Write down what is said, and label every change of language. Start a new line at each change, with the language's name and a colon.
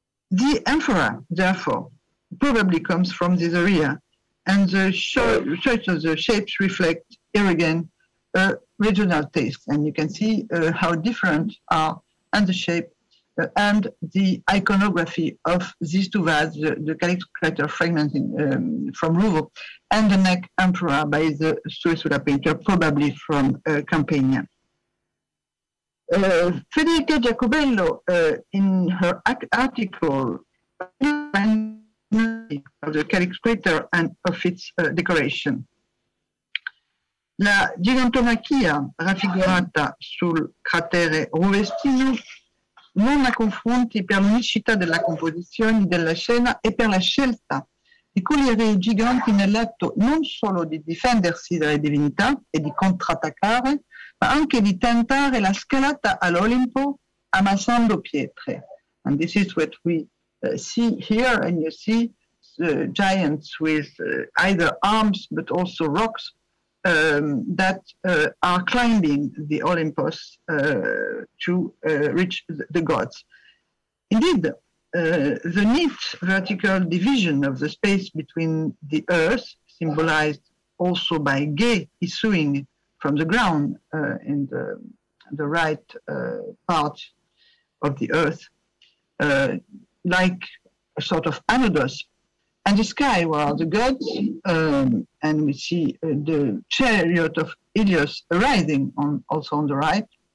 English: The amphora, therefore, probably comes from this area, and the choice of the shapes reflect here again regional taste, and you can see how different are and the shape and the iconography of these two vases, the calyx crater fragments from Ruvo, and the neck amphora by the Suessula painter, probably from Campania. Federica Giacobello, in her article of the calyx crater and of its decoration.
Italian: La gigantomachia raffigurata sul cratere Ruvestino non la confronti per l'unicità della composizione della scena e per la scelta di cogliere i giganti nell'atto non solo di difendersi dalle divinità e di contrattaccare, ma anche di tentare la scalata all'Olimpo amassando pietre.
English: And this is what we see here, and you see the giants with either arms but also rocks that are climbing the Olympus to reach the gods. Indeed, the neat vertical division of the space between the earth, symbolized also by Ge issuing from the ground in the right part of the earth, like a sort of anodos, and the sky where the gods, and we see the chariot of Helios rising on, also on the right,